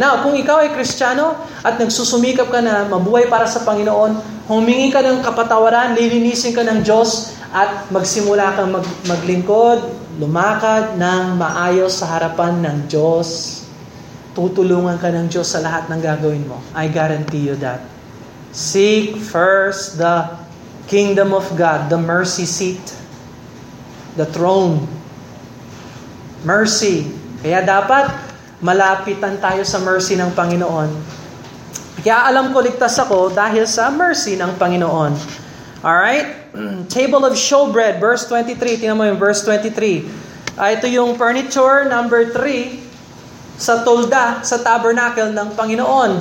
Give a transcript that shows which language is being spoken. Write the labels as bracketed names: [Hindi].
[Filipino] Now, kung ikaw ay Kristiyano at nagsusumikap ka na mabuhay para sa Panginoon, humingi ka ng kapatawaran, lilinisin ka ng Diyos, at magsimula kang maglingkod, lumakad ng maayos sa harapan ng Diyos, tutulungan ka ng Diyos sa lahat ng gagawin mo. [English] I guarantee you that. Seek first the kingdom of God, the mercy seat, the throne. Mercy. [Filipino] Kaya dapat malapitan tayo sa mercy ng Panginoon. Kaya alam ko ligtas ako dahil sa mercy ng Panginoon. Alright? [English] Table of Showbread, verse 23. [Filipino] Tingnan mo yung verse 23. Ito yung furniture number 3 sa tolda, sa tabernacle ng Panginoon.